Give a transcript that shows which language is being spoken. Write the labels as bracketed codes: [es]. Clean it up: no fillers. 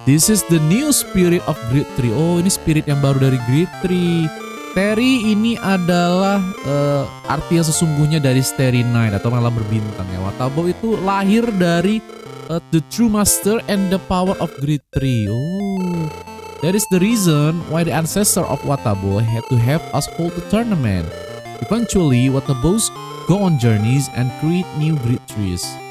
[en] This is the new spirit of Great Tree. [id] Oh, ini spirit yang baru dari Great Tree. Terry, ini adalah arti yang sesungguhnya dari Starry Night atau malam berbintang ya. [en] Watabo [id] itu lahir dari [en] the true master and the power of Great Tree. Oh, that is the reason why the ancestor of Watabo had to have us hold the tournament. Eventually, Watabo's go on journeys and create new great trees.